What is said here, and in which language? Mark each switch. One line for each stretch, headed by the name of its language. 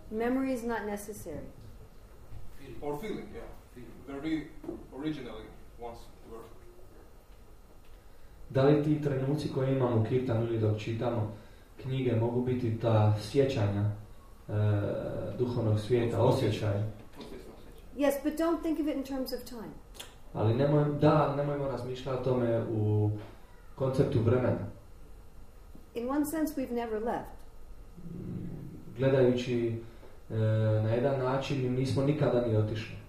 English: Memory is not necessary. Or feeling, yeah. Where we originally once were.
Croatian: Da li ti trenuci koje imamo u kirtanu ili dok čitamo knjige mogu biti ta sjećanja duhovnog svijeta, osjećaj?
English: Yes, but don't think of it in terms of time.
Croatian: Ali nemojmo razmišljati o tome u konceptu vremena.
English: In one sense we've never left.
Croatian: Gledajući na jedan način nismo nikada ni otišli.